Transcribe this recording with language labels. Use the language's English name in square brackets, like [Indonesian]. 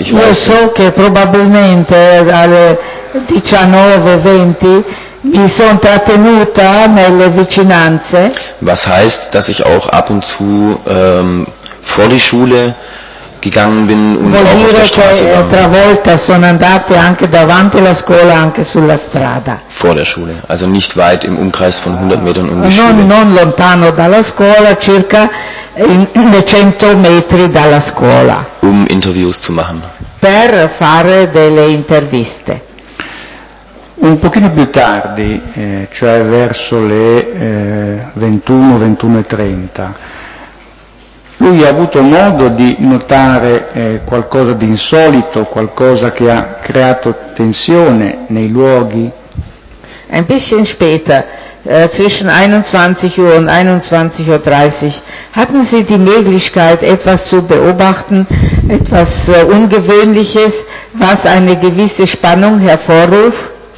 [German] Ich weiß, [Italian] so che probabilmente alle 19:20 mi sono trattenuta nelle vicinanze. [German] Was heißt, dass ich auch ab und zu vor die Schule gegangen bin und [Italian] vuol [German] auch [Italian] dire [German] auf der Straße [Italian] che tra volte sono andate anche davanti alla scuola anche sulla strada. [German] Vor der Schule, also nicht weit im Umkreis von 100 Metern um die Schule. [Italian] Non lontano dalla scuola, circa 100 metri dalla scuola. [German] Um Interviews zu machen. [Italian] Per fare delle interviste. Un pochino più tardi, cioè verso le 21:30. Lui ha avuto modo di notare qualcosa di insolito, qualcosa che ha creato tensione nei luoghi? [German] Ein bisschen später, zwischen 21 Uhr und 21:30, hatten Sie die Möglichkeit, etwas zu beobachten, etwas Ungewöhnliches, was eine gewisse Spannung hervorrief?